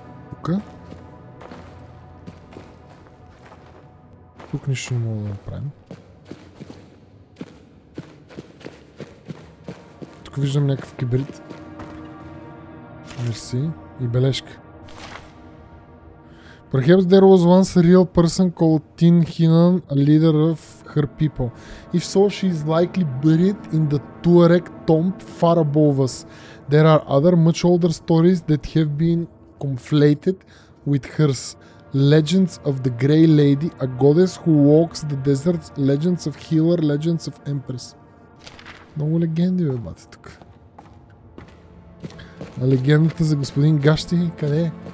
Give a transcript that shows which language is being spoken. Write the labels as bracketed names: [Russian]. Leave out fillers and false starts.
[Bulgarian] Тук. Тук нищо не мога да направим. Тук виждам някакъв кибрит. Мерси. И бележка. [English] Perhaps there was once a real person called Tin Hinnan, a leader of her people. If so, she is likely buried in the Tuareg tomb far above us. There are other much older stories that have been conflated with hers. Legends of the Grey Lady, a goddess who walks the deserts, legends of healer, legends of empress. [Bulgarian] Много легенди бе, бате, тук. А легендата за господин Гащи, къде е?